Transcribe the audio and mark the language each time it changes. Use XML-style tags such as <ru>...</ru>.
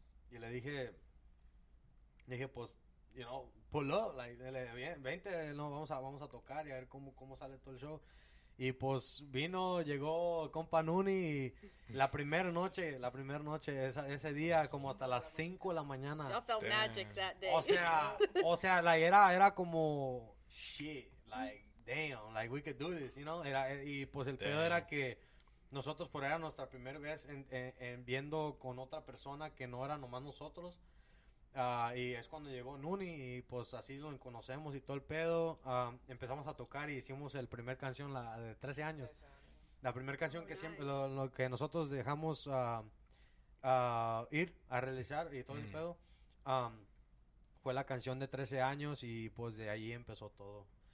<es>Y le dije, pues,</es> <en>pull up,</en> <es>vente, no, vamos a tocar y a ver cómo sale todo el show. Y pues vino, llegó compa Nuni y la primera noche, ese día, como hasta las 5 de la mañana.</es> <en>I felt magic that day.</en> <es>O sea,</es> <en>like,</en> <es>era como,</es> <en>shit, like, damn, like, we could do this, you know?</en> <es>Y pues el pedo era que nosotros, por era nuestra primera vez en viendo con otra persona que no era nomás nosotros. Y es cuando llegó Nuni y pues así lo conocemos y todo el pedo, empezamos a tocar y hicimos el primer canción, la de 13 años, la primera canción que siempre, lo que nosotros dejamos ir a realizar y todo el pedo, fue la canción de 13 años y pues de ahí empezó todo.</es>